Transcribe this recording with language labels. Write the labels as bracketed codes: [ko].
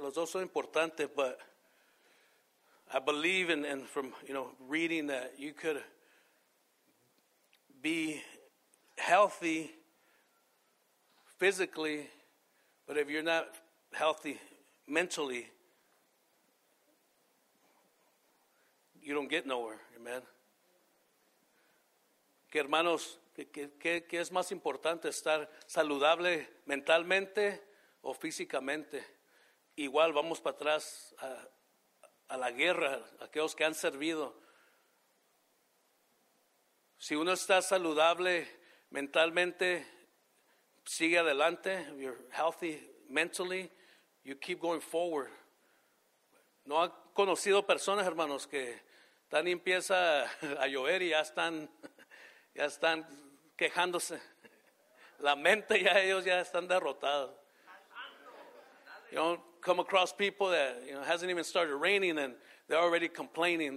[es] Los dos son importantes, [en] but I believe and from, you know, reading that you could be healthy physically, but if you're not healthy mentally, you don't get nowhere, amen. [es] Que hermanos, que es más importante, estar saludable mentalmente o físicamente? Igual vamos para atrás a la guerra, aquellos que han servido. Si uno está saludable mentalmente, sigue adelante. [en] You're healthy mentally, you keep going forward. [es] No ha conocido personas, hermanos, que están y empieza a llover y ya están quejándose. La mente ya ellos ya están derrotados. [en] You don't come across people that, you know, hasn't even started raining and they're already complaining.